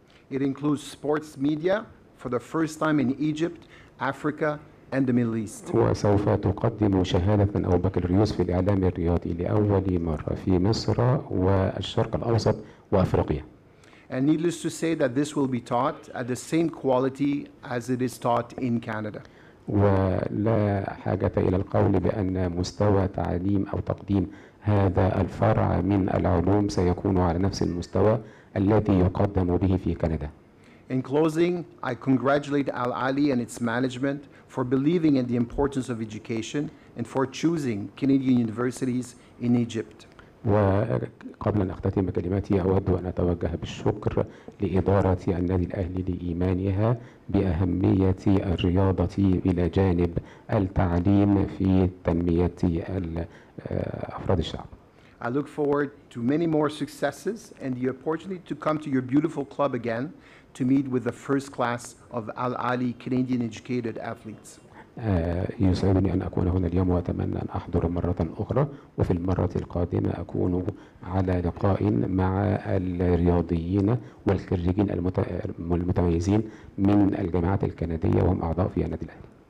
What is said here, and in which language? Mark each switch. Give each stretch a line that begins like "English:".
English: It includes sports media for the first time in Egypt, Africa, and the Middle East.
Arabic: وسوف تقدم شهادة أو بكالوريوس في الإعلام الرياضي لأول مرة في مصر والشرق الأوسط وأفريقيا.
English: And needless to say that this will be taught at the same quality as it is taught in Canada.
Arabic: ولا حاجة إلى القول بأن مستوى تعليم أو تقديم هذا الفرع من العلوم سيكون على نفس المستوى الذي يقدم به في كندا.
English: In closing, I congratulate Al Ahly and its management for believing in the importance of education and for choosing Canadian universities in Egypt.
Arabic: وقبل أن أختتم كلماتي أود أن أتوجه بالشكر لإدارة النادي الأهلي لإيمانها بأهمية الرياضة إلى جانب التعليم في تنمية أفراد الشعب.
English: I look forward to many more successes and the opportunity to come to your beautiful club again to meet with the first class of Al Ahly Canadian educated athletes.
Arabic: يسعدني أن أكون هنا اليوم وأتمنى أن أحضر مرة أخرى وفي المرة القادمة أكون على لقاء مع الرياضيين والخريجين المتميزين من الجامعات الكندية وهم أعضاء في النادي الأهلي.